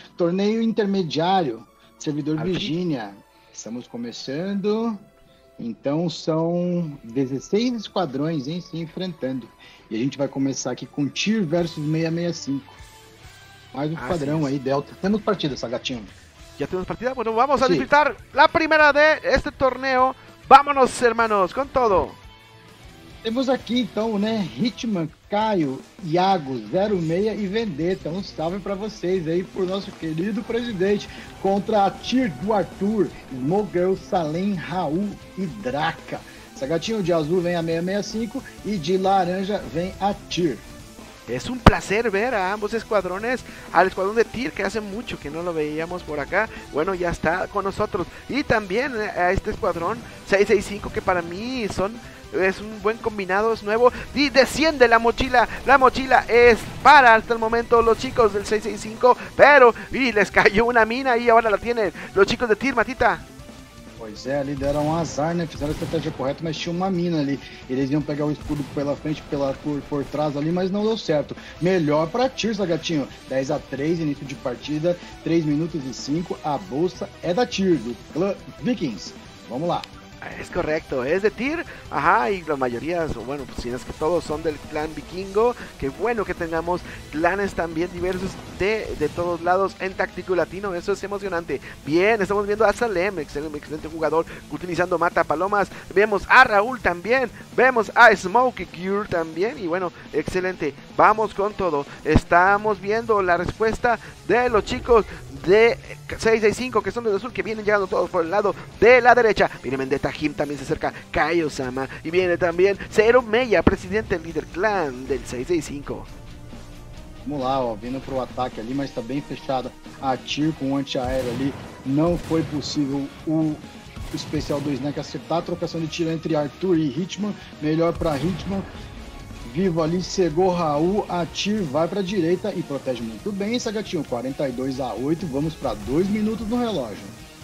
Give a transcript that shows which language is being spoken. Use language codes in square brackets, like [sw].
[pt] Torneio intermediário. Servidor Virgínia. Estamos começando. Então, são 16 esquadrões, hein, se enfrentando. E a gente vai começar aqui com Tyr versus 665. Mais um padrão aí, Delta. Temos partida, Sagatinho. Já temos partida? [es] Bueno, vamos a disfrutar la primera de este torneo. Vámonos, hermanos, com todo. [pt] Temos aqui, então, né? Hitman, Caio, Iago, 06 e Vendetta. Um salve pra vocês aí, pro nosso querido presidente. Contra a Tyr do Arthur, Smogel, Salem, Raul e Draca. Sagatinho, de azul vem a 665 e de laranja vem a Tyr. [es] Es un placer ver a ambos escuadrones, al escuadrón de Tyr, que hace mucho que no lo veíamos por acá. Bueno, ya está con nosotros. Y también a este escuadrón 665, que para mí es un buen combinado, es nuevo. Y desciende la mochila. La mochila es para hasta el momento los chicos del 665. Pero, y les cayó una mina y ahora la tienen los chicos de Tyr, Matita. [pt] Pois é, ali deram um azar, né? Fizeram a estratégia correta, mas tinha uma mina ali. Eles iam pegar o escudo pela frente, por trás ali, mas não deu certo. Melhor pra Tyr, Sagatinho. 10-3, início de partida, 3 minutos e 5. A bolsa é da Tyr, do clã Vikings. Vamos lá. [es] Es correcto, es de Tyr, ajá, y la mayoría, bueno, pues si es que todos son del clan vikingo, qué bueno que tengamos clanes también diversos de todos lados en táctico latino, eso es emocionante. Bien, estamos viendo a Salem, excelente jugador, utilizando Mata Palomas, vemos a Raúl también, vemos a Smokey Cure también, y bueno, excelente, vamos con todo, estamos viendo la respuesta de los chicos de 665, que son de azul, que vienen llegando todos por el lado de la derecha. Viene Vendetta, Jim también se acerca, Kaiosama, y viene también Zero Meia, presidente líder clan del 665. [pt] Vamos lá, ó, vindo pro ataque ali, mas tá bem fechado. A Tyr com o antiaéreo ali, não foi possível o especial do Snack acertar a trocação de tiro entre Arthur e Hitman, melhor pra Hitman. Vivo ali, cegou Raul, a Tyr vai pra direita e protege muito bem, Sagatinho, 42-8, vamos pra 2 minutos no relógio.